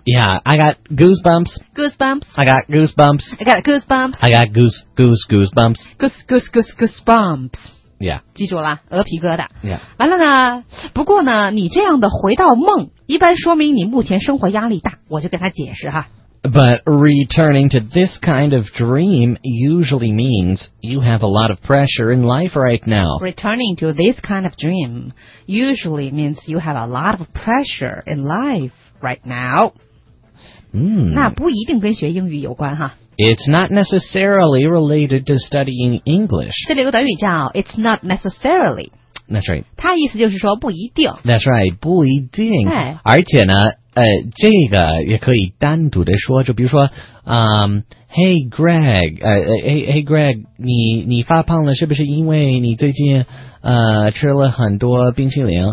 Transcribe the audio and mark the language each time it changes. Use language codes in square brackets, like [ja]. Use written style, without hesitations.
[en] Yeah. I got goosebumps. Goosebumps. I got goosebumps. I got goosebumps. I got goosebumps. Goosebumps. Yeah. [zh] 记住了，鹅皮疙瘩。 Yeah. 完了呢，不过呢，你这样的回到梦，一般说明你目前生活压力大。我就跟他解释哈。 [en] But returning to this kind of dream usually means you have a lot of pressure in life right now. Returning to this kind of dream usually means you have a lot of pressure in life right now. [zh] 那不一定跟学英语有关哈。 [en] It's not necessarily related to studying English. [zh] 这里有个短语叫 [en] it's not necessarily. That's right. [zh] 它意思就是说不一定。 [en] That's right, [zh] 不一定。而且呢这个也可以单独的说，就比如说，Hey Greg， Hey Greg， 你发胖了，是不是因为你最近吃了很多冰淇淋？